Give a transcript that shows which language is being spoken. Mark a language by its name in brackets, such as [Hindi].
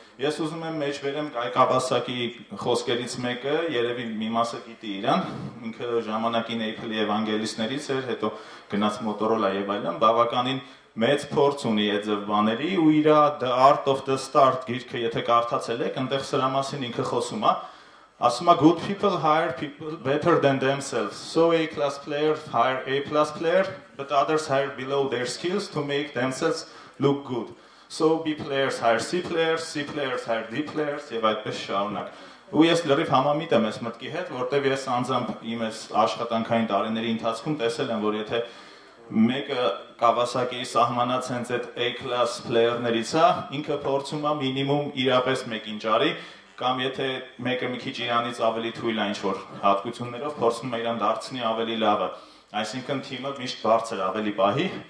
[Armenian] ես ուզում եմ մեջ վերեմ Կայք Աբասակի խոսքերից մեկը, երևի մի մասը գիտի իրան, ինքը ժամանակին Apple-ի evangelist-ներից էր, հետո գնաց Motorola եւ այլն, բավականին մեծ փորձ ունի այդ բաների ու իր The Art of the Start գիրքը, եթե կարդացել եք, այնտեղ սրա մասին ինքը խոսում է։ Ասում է, [English] good people hire people better than themselves. So A-class players hire A-plus player, but others hire below their skills to make themselves look good. So B players hire C players, C players hire D players, [Armenian] եվ այդպես շարունակ։ Ու ես լրիվ համամիտ եմ ես մտքի հետ, որտեղ ես անձամբ իմ ես աշխատանքային տարիների ընթացքում տեսել եմ, որ եթե մեկը Կավասակի սահմանած հենց այդ A-class player-ներից է, ինքը փորձում է մինիմում իրապես մեկին ճարի, կամ եթե մեկը մի քիչ իրանից ավելի թույլ է ինչ-որ հատկություններով, փորձում է իրան դարձնի ավելի լավը, այսինքն թիմը միշտ բարձր ավելի բահի,